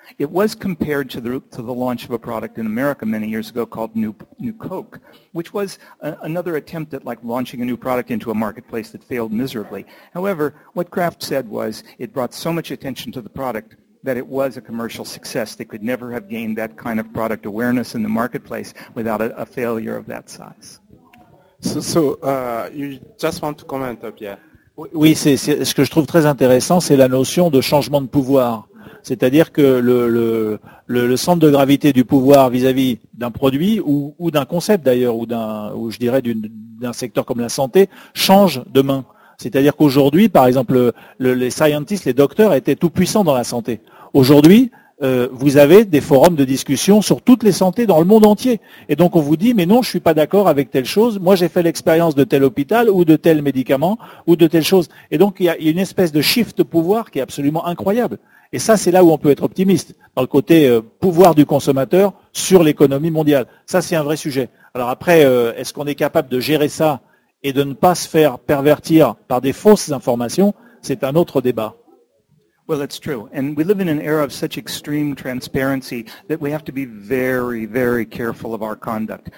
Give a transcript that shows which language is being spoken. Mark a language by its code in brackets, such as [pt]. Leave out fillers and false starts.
[en] It was compared to the launch of a product in America many years ago called New Coke, which was another attempt at like launching a new product into a marketplace that failed miserably. However, what Kraft said was it brought so much attention to the product that it was a commercial success. They could never have gained that kind of product awareness in the marketplace without a failure of that size. So you just want to comment, Pierre? [fr] Oui, c'est ce que je trouve très intéressant, c'est la notion de changement de pouvoir. C'est-à-dire que le centre de gravité du pouvoir vis-à-vis d'un produit ou d'un concept d'ailleurs, ou d'un secteur comme la santé, change de main. C'est-à-dire qu'aujourd'hui, par exemple, les scientists, les docteurs étaient tout puissants dans la santé. Aujourd'hui, vous avez des forums de discussion sur toutes les santé dans le monde entier. Et donc on vous dit, mais non, je suis pas d'accord avec telle chose. Moi, j'ai fait l'expérience de tel hôpital ou de tel médicament ou de telle chose. Et donc il y a une espèce de shift de pouvoir qui est absolument incroyable. Et ça, c'est là où on peut être optimiste, dans le côté pouvoir du consommateur sur l'économie mondiale. Ça, c'est un vrai sujet. Alors après, est-ce qu'on est capable de gérer ça et de ne pas se faire pervertir par des fausses informations? C'est un autre débat. [en] Well, that's true. And we live in an era of such extreme transparency that we have to be very, very careful of our conduct.